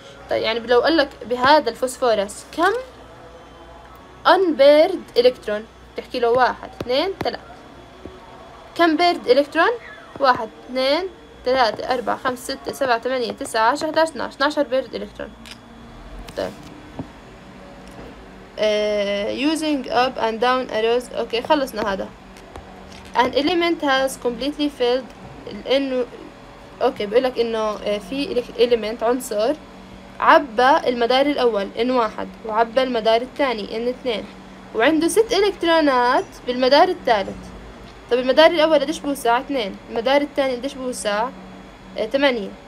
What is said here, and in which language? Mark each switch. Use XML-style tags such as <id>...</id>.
<ar>طيب يعني لو قال لك بهذا الفوسفورس كم أن بيرد إلكترون، تحكي له واحد، اثنين، ثلاث. كم بيرد إلكترون؟ واحد، اثنين، ثلاثة، أربعة، خمس، ستة، سبعة، ثمانية، تسعة، عشرة، 11، 12، 12 بيرد إلكترون.</ar> <en>طيب using up and down arrows.</en> <ar>أوكي خلصنا هذا.</ar> <en>an element has completely filled.</en> <ar>لأنه أوكي بقولك إنه في element عنصر عبى المدار الأول N1 وعبى المدار الثاني N2 وعنده ست إلكترونات بالمدار الثالث. طب المدار الأول قديش بوسع؟ اثنين. المدار الثاني قديش بوسع؟ ثمانية.</ar>